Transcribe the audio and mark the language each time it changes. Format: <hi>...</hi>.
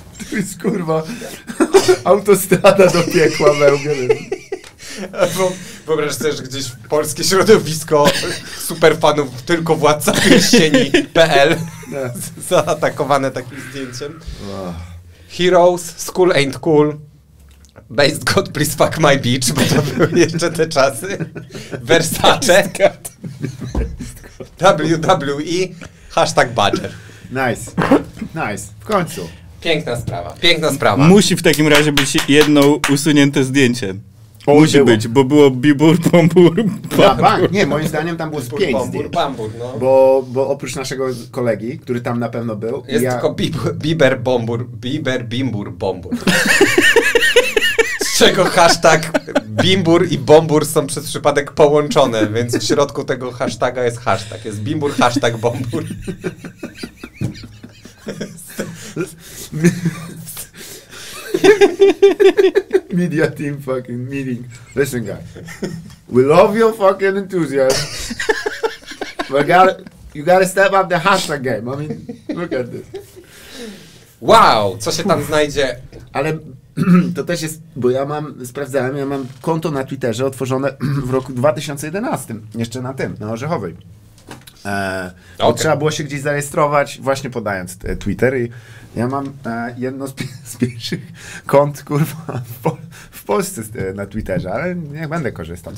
<pl>To jest kurwa autostrada do piekła Mełgen. Wyobraź sobie, że gdzieś polskie środowisko superfanów tylko Władca Pierścieni.pl zaatakowane takim zdjęciem.</pl> <en>Heroes, school ain't cool. Based God, please fuck my bitch,</en> <pl>bo to były jeszcze te czasy. Versace. WWE. Hashtag badger.</pl> <en>Nice. Nice.</en> <pl>W końcu. Piękna sprawa. Piękna sprawa. Musi w takim razie być jedno usunięte zdjęcie. O, musi było. Być, bo było Bibur, Bambur, Bambur. Nie, moim zdaniem tam było z pięć zdjęć. Bibur, Bambur, no. Bo oprócz naszego kolegi, który tam na pewno był... Jest ja... tylko Biber, Bambur, Biber, Bimbur, Bambur. Z czego hashtag Bimbur i Bambur są przez przypadek połączone, więc w środku tego hashtaga jest hashtag. Jest Bimbur, hashtag Bambur.</pl> <en>Media team fucking meeting. Listen guys, we love your fucking enthusiasm, but you gotta step up the hashtag game. I mean, look at this.</en> <pl>Wow, co się tam znajdzie? Ale to też jest, bo ja mam konto na Twitterze otworzone w roku 2011, jeszcze na tym, na Orzechowej. Okay. Trzeba było się gdzieś zarejestrować, właśnie podając Twitter. I ja mam jedno z pierwszych kont, kurwa, w Polsce na Twitterze, ale niech będę korzystał.</pl>